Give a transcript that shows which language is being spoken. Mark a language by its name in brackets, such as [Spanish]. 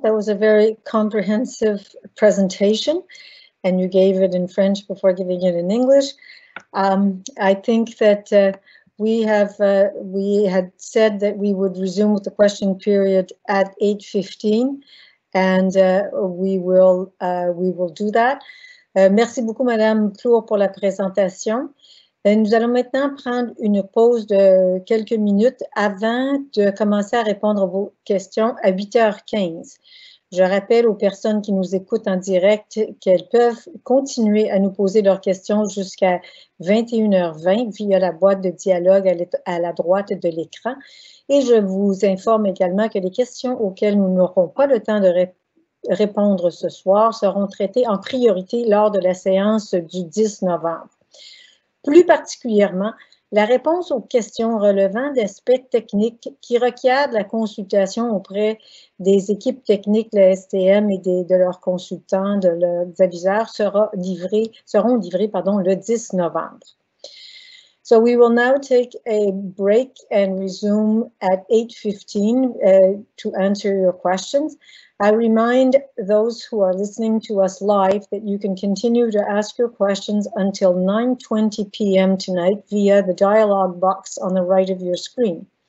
[English] That was a very comprehensive presentation, and you gave it in French before giving it in English. I think that we had said that we would resume with the question period at 8:15, and we will do that. [French] Merci beaucoup, Madame Tour, pour la présentation. Et nous allons maintenant prendre une pause de quelques minutes avant de commencer à répondre à vos questions à 8h15. Je rappelle aux personnes qui nous écoutent en direct qu'elles peuvent continuer à nous poser leurs questions jusqu'à 21h20 via la boîte de dialogue à la droite de l'écran. Et je vous informe également que les questions auxquelles nous n'aurons pas le temps de répondre ce soir seront traitées en priorité lors de la séance du 10 novembre. Plus particulièrement, la réponse aux questions relevant d'aspects techniques qui requièrent la consultation auprès des équipes techniques de la STM et de leurs consultants, de leurs aviseurs, seront livrées le 10 novembre. [English] So we will now take a break and resume at 8:15 to answer your questions. I remind those who are listening to us live that you can continue to ask your questions until 9:20 p.m. tonight via the dialogue box on the right of your screen.